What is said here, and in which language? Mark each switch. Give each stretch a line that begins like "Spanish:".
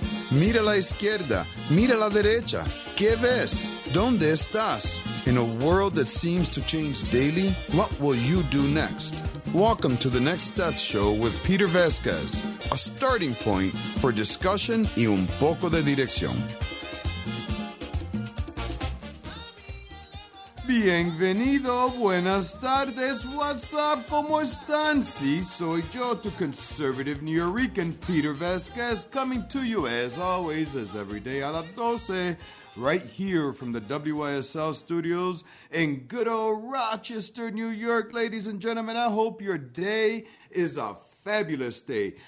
Spanish: Mira la izquierda, mira la derecha. ¿Qué ves? ¿Dónde estás?
English: In a world that seems to change daily, what will you do next? Welcome to the Next Steps Show with Peter Vasquez, a starting point for discussion
Spanish: y un poco de dirección. Bienvenido, buenas tardes,
English: what's up,
Spanish: cómo están? Sí, soy yo, tu
English: conservative New Yorican, Peter Vasquez, coming to you as always, as every day
Spanish: a las 12,
English: right here from the WYSL studios in good old Rochester, New York. Ladies and gentlemen, I hope your day is a fabulous day.